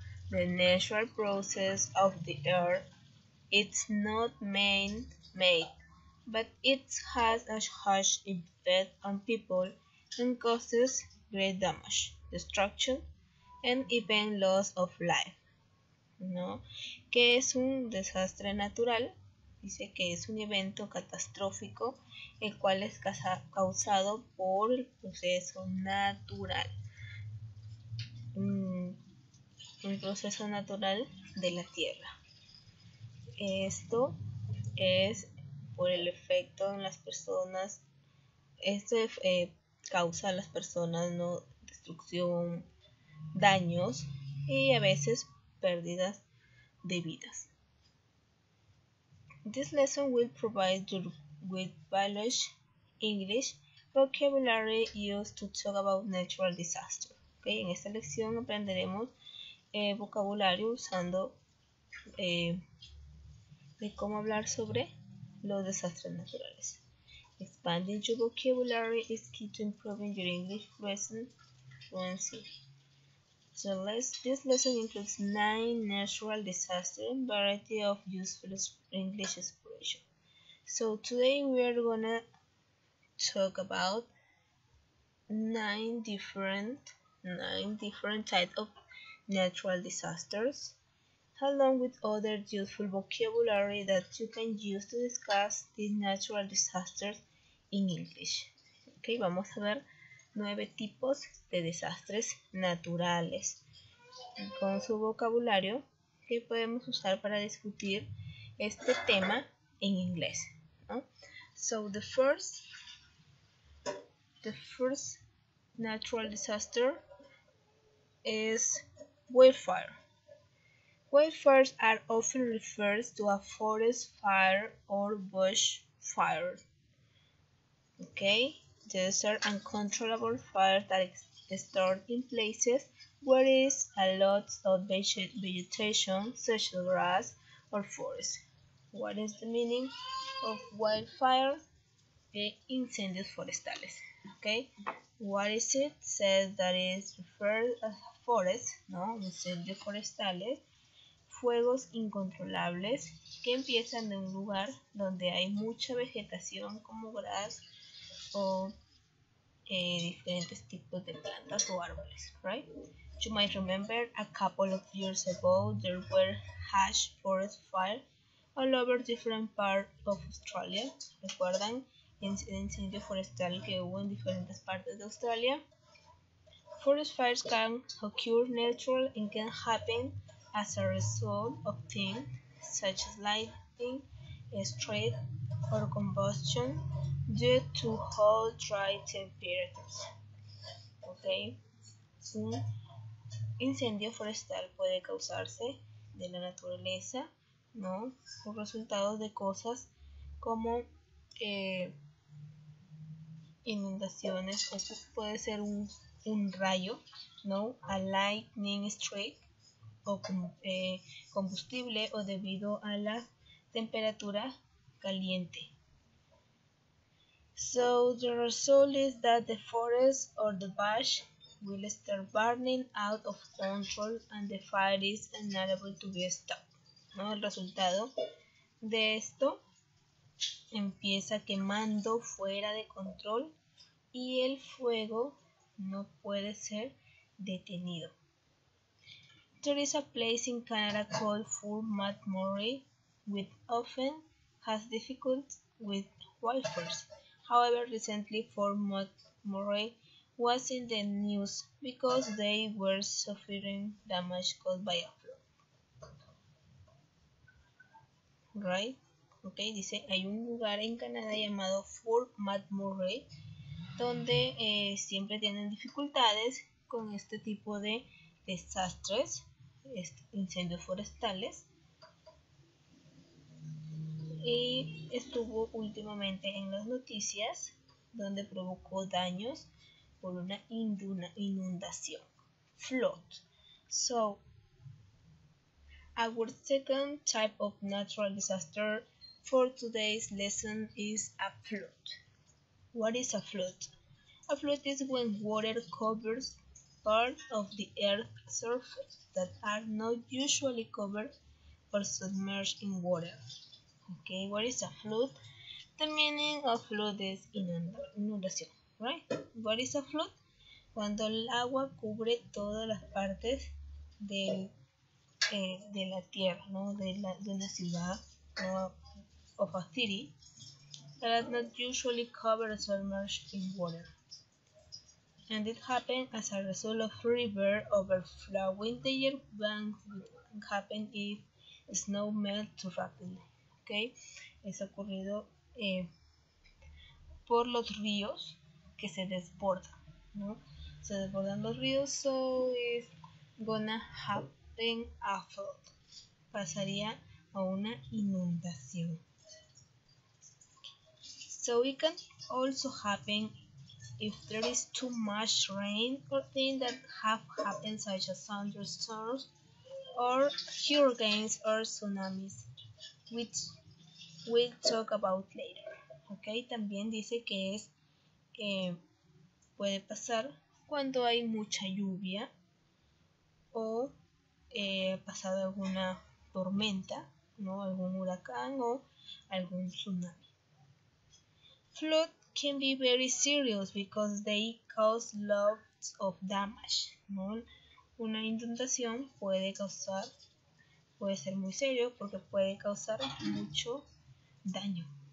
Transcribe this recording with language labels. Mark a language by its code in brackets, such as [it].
[en] The natural process of the earth, it's not man-made, but it has a harsh effect on people and causes great damage, destruction, and even loss of life. [es] ¿No? ¿Qué es un desastre natural? Dice que es un evento catastrófico, el cual es causado por el proceso natural. Un proceso natural de la Tierra. Esto es por el efecto en las personas. Esto causa a las personas, ¿no?, destrucción, daños y a veces pérdidas de vidas. [en] This lesson will provide you with valuable English vocabulary used to talk about natural disaster. [es] Okay, en esta lección aprenderemos vocabulario usando de cómo hablar sobre los desastres naturales. [en] Expanding your vocabulary is key to improving your English fluency. So this lesson includes 9 natural disasters and variety of useful English expressions. So today we are gonna talk about 9 different types of natural disasters, along with other useful vocabulary that you can use to discuss these natural disasters in English. [es] Okay, vamos a ver 9 tipos de desastres naturales con su vocabulario que podemos usar para discutir este tema en inglés, ¿no? [en] So the first natural disaster is wildfire. Wildfires are often referred to a forest fire or bush fire. Okay? These are uncontrollable fires that start in places where there is a lot of vegetation, such as grass or forest. What is the meaning of wildfire? [es] Incendios forestales. [en] Okay. What is it? Says that it is referred as a forest, [es] ¿no? Incendios forestales. Fuegos incontrolables que empiezan de un lugar donde hay mucha vegetación, como grass o diferentes tipos de plantas o árboles, [en] right? You might remember a couple of years ago there were harsh forest fires all over different parts of Australia. [es] ¿Recuerdan el incendio forestal que hubo en diferentes partes de Australia? [en] Forest fires can occur natural and can happen as a result of things such as lightning, strike, or combustion due to hot, dry temperatures. [es] Okay, un incendio forestal puede causarse de la naturaleza, ¿no?, por resultados de cosas como inundaciones. Esto puede ser un rayo, ¿no?, [en] a lightning strike, [es] o combustible, o debido a la temperatura caliente. [en] So the result is that the forest or the bush will start burning out of control and the fire is unable to be stopped. [es] ¿No? El resultado de esto empieza quemando fuera de control y el fuego no puede ser detenido. [en] There is a place in Canada called Fort McMurray which often has difficulties with wildfires. However, recently Fort McMurray was in the news because they were suffering damage caused by a flood. Right? [es] Okay, dice, hay un lugar en Canadá llamado Fort McMurray donde siempre tienen dificultades con este tipo de desastres, incendios forestales, y estuvo últimamente en las noticias donde provocó daños por una inundación, flood. [en] So, our second type of natural disaster for today's lesson is a flood. What is a flood? A flood is when water covers part of the earth's surface that are not usually covered or submerged in water. Okay, what is a flood? The meaning of flood is inundación, right? What is a flood? [es] Cuando el agua cubre todas las partes de la tierra, ¿no? De una ciudad [en] of a city that is not usually covered or submerged in water. And it happened as a result of river overflowing their banks. What happened if snow melt too rapidly? [es] Okay, es ocurrido por los ríos que se desbordan, ¿no? Se desbordan los ríos, [en] so it's gonna happen a flood. [es] Pasaría a una inundación. [en] So it can also happen if there is too much rain or things that have happened, such as thunderstorms or hurricanes or tsunamis, which we'll talk about later. [es] Okay, también dice que es puede pasar cuando hay mucha lluvia o pasado alguna tormenta, ¿no? Algún huracán o algún tsunami. [en] Flood can be very serious because they cause lots of damage, [es] ¿no? Una inundación puede ser muy serio porque puede causar mucho daño.